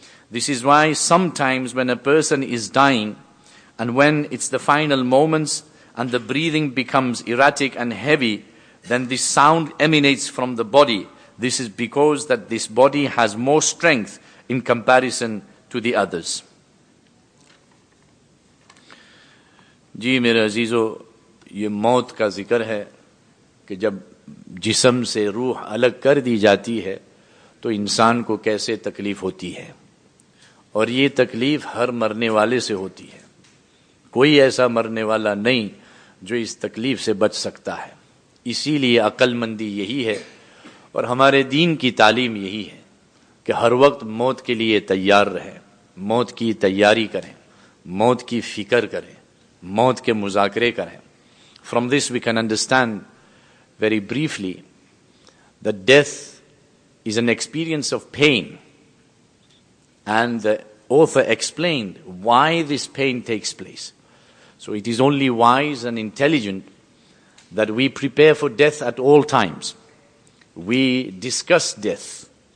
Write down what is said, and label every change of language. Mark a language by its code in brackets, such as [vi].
[en] This is why sometimes when a person is dying, and when it's the final moments and the breathing becomes erratic and heavy, then this sound emanates from the body. This is because that this body has more strength in comparison to the others. [ur] جی میرے عزیزو, یہ موت کا ذکر ہے کہ جب جسم سے روح الگ کر دی جاتی ہے تو انسان کو کیسے تکلیف ہوتی ہے, اور یہ تکلیف ہر مرنے والے سے ہوتی ہے. کوئی ایسا مرنے والا نہیں جو اس تکلیف سے بچ سکتا ہے. اسی لیے عقل مندی یہی ہے اور ہمارے دین کی تعلیم یہی ہے کہ ہر وقت موت کے لیے تیار رہیں, موت کی تیاری کریں, موت کی فکر کریں, موت کے مذاکرے کریں. [en] From this we can understand very briefly that death is an experience of pain, and the author explained why this pain takes place. So it is only wise and intelligent that we prepare for death at all times. We discuss death